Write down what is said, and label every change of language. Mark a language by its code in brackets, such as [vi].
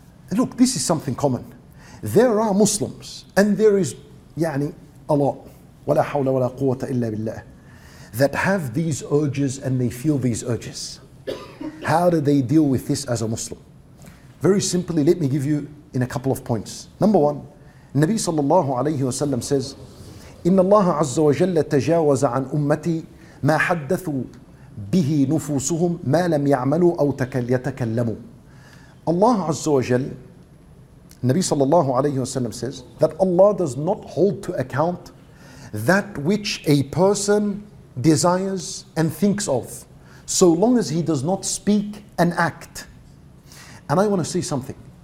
[en] And look, this is something common. There are Muslims, and there is, يعني, a lot. [ar] وَلَا حَوْلَ وَلَا قُوَّةَ إِلَّا بِاللَّهِ. [en] That have these urges and they feel these urges. How do they deal with this as a Muslim? Very simply, let me give you in a couple of points. Number one, Nabi sallallahu alayhi wa sallam says, [ar] إِنَّ اللَّهَ عَزَّ وَجَلَّ تَجَاوَزَ عَنْ أُمَّتِي مَا حَدَّثُوا بِهِ نُفُوسُهُمْ مَا لَمْ يَعْمَلُوا أَوْ يَتَكَلَّمُوا. [en] Allah Azza wa Jal, Nabi sallallahu alayhi wa sallam says, that Allah does not hold to account that which a person desires and thinks of, so long as he does not speak and act. And I want to say something.